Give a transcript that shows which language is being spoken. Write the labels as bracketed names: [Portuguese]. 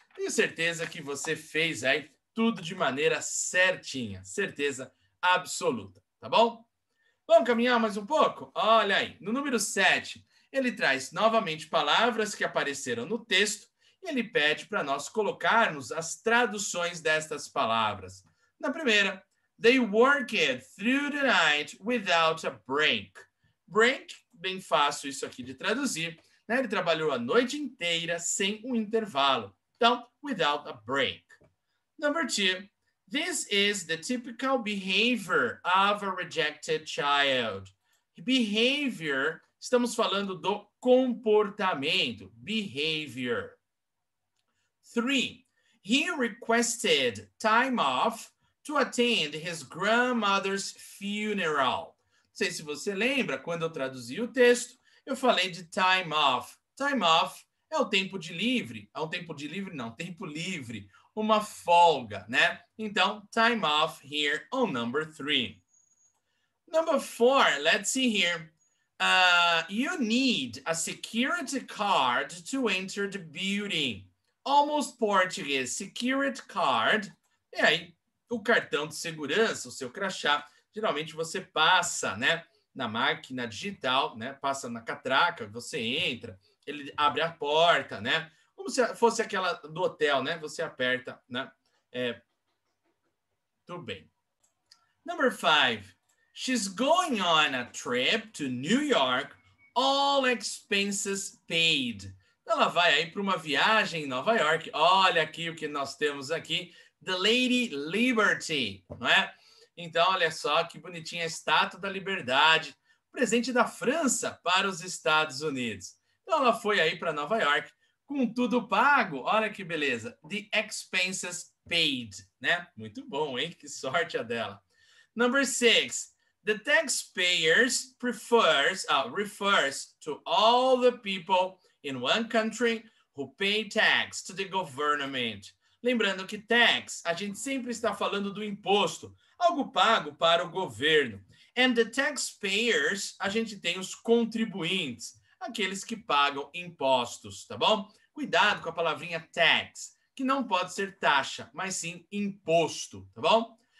[Portuguese] Tenho certeza que você fez aí tudo de maneira certinha. Certeza absoluta, tá bom? Vamos caminhar mais um pouco? Olha aí, no número 7, ele traz novamente palavras que apareceram no texto e ele pede para nós colocarmos as traduções destas palavras. Na primeira, [English] they worked through the night without a break. [Portuguese] Break, bem fácil isso aqui de traduzir, né? Ele trabalhou a noite inteira sem um intervalo. [English] Então, without a break. Number 2, this is the typical behavior of a rejected child. [Portuguese] Behavior, estamos falando do comportamento. [English] Behavior. 3, he requested time off to attend his grandmother's funeral. [Portuguese] Não sei se você lembra, quando eu traduzi o texto, eu falei de time off. Time off é o tempo de livre. É um tempo de livre? Não, tempo livre. Uma folga, né? Então, time off [English] here on number 3. Number 4, let's see here. You need a security card to enter the building. Almost Portuguese, security card. [Portuguese] E aí, o cartão de segurança, o seu crachá, geralmente você passa, né, na máquina digital, né, passa na catraca, você entra, ele abre a porta, né, como se fosse aquela do hotel, né, você aperta, né, tudo bem. [English] Number 5, she's going on a trip to New York, all expenses paid. [Portuguese] Ela vai aí para uma viagem em Nova York, olha aqui o que nós temos aqui, The Lady Liberty, não é? Então, olha só que bonitinha a Estátua da Liberdade, presente da França para os Estados Unidos. Então, ela foi aí para Nova York com tudo pago. Olha que beleza. [English] The expenses paid, [Portuguese] né? Muito bom, hein? Que sorte a dela. Number 6. [English] The taxpayers refers to all the people in one country who pay tax to the government. [Portuguese] Lembrando que tax, a gente sempre está falando do imposto, algo pago para o governo. [English] And the taxpayers, [Portuguese] a gente tem os contribuintes, aqueles que pagam impostos, tá bom? Cuidado com a palavrinha tax, que não pode ser taxa, mas sim imposto, tá bom?